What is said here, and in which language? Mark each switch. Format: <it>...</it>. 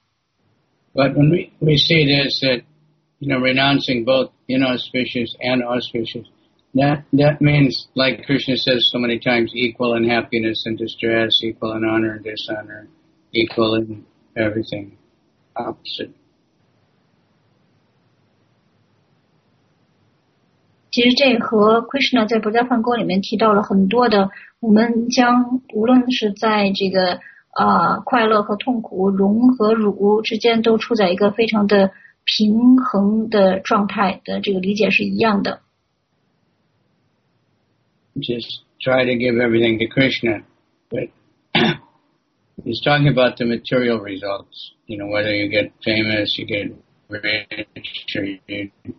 <en>when we see this, that, you know, renouncing both inauspicious and auspicious, that means, like Krishna says so many times, equal in happiness and distress, equal in honor and dishonor, equal in everything, opposite.</en> <zh>其实这和 Krishna 在《菩萨梵歌》里面提到了很多的，我们将无论是在这个快乐和痛苦、荣和辱之间，都处在一个非常的平衡的状态的这个理解是一样的。</zh> <en>Just try to give everything to Krishna, but he's talking about the material results. You know, whether you get famous, you get rich, or you</en>